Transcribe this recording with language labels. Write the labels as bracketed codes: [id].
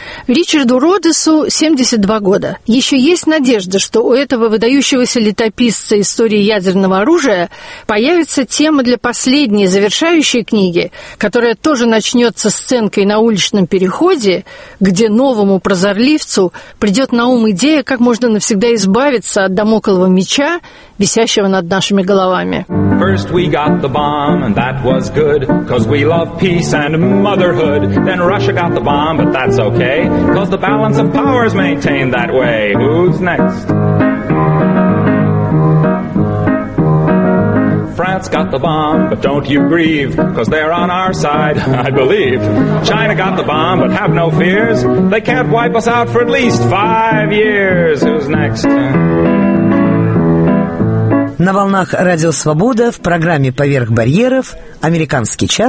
[ru] Ричарду Родесу 72 года. Еще есть надежда, что у этого выдающегося летописца истории ядерного оружия появится тема для последней завершающей книги, которая тоже начнется сценкой на уличном переходе, где новому прозорливцу придет на ум идея, как можно навсегда избавиться от дамоклова меча, висящего над нашими головами. [en] First we got the bomb, and that was good, 'cause we love peace and motherhood. Then Russia got the bomb, but that's okay, 'cause the balance of power is maintained that way. Who's next? France got the bomb, but don't you grieve, 'cause they're on our side, I believe. China got the bomb, but have no fears, they can't wipe us out for at least 5 years. Who's next? [ru] На волнах Радио Свобода в программе «Поверх барьеров» американский час